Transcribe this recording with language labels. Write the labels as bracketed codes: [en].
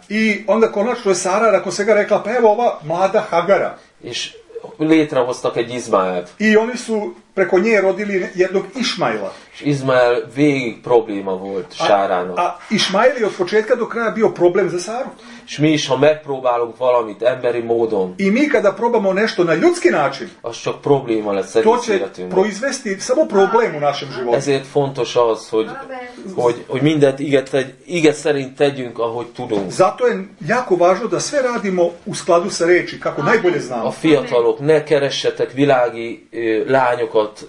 [sr] I onda konačno je Sára, nakon svega rekla, pa evo ova mlada Hagara. [hu] És létrehoztak egy Izmaelt. [sr] I oni su preko nje rodili jednog Ismaila. [hu] Izmael végig probléma volt Sárának. [sr] A Ismaili od početka do kraja bio problem za Sáru. [hu] És mi is, ha megpróbálunk valamit emberi módon. [sr] I mi kada probamo nešto na ljudski način. [hu] Az csak probléma lesz egész életünkben. [sr] To će proizvesti samo problém u našem životu. [hu] Ezért fontos az, hogy mindent ige szerint tegyünk, ahogy tudunk. [sr] Zato je jako važno da sve radimo u skladu sa reči, kako najbolje znamo. [hu] A fiatalok, ne keressetek világi lányokat